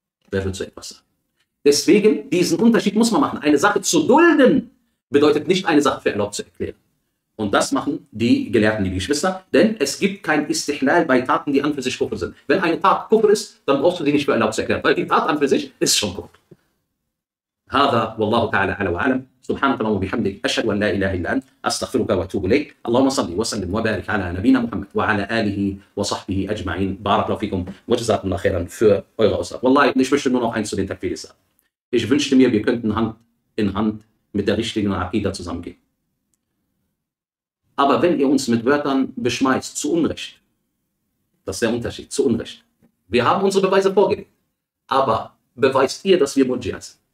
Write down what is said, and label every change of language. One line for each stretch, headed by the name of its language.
German: Wer will so etwas sagen? Deswegen, diesen Unterschied muss man machen. Eine Sache zu dulden, bedeutet nicht, eine Sache für erlaubt zu erklären. Und das machen die Gelehrten, die Geschwister, denn es gibt kein Istihlal bei Taten, die an für sich Kufr sind. Wenn eine Tat Kufr ist, dann brauchst du die nicht für erlaubt zu erklären, weil die Tat an für sich ist schon Kufr.
Arabic: هذا والله تعالى على وعلم سبحانك اللهم وبحمدك أشهد أن لا إله إلا أنت أستغفرك وأتوب إليك اللهم صل وسلم وبارك على نبينا محمد وعلى آله وصحبه أجمعين بارك الله فيكم وجزاكم الله خيرا
German: für eure Aussage. والله ich wünschte nur noch eins zu den Takfirisa. Ich wünschte mir, wir könnten Hand in Hand mit der richtigen Aqida zusammengehen. Aber wenn ihr uns mit Wörtern beschmeißt, zu Unrecht, das ist der Unterschied, zu Unrecht. Wir haben unsere Beweise vorgelegt, aber beweist ihr, dass wir Murji'a sind.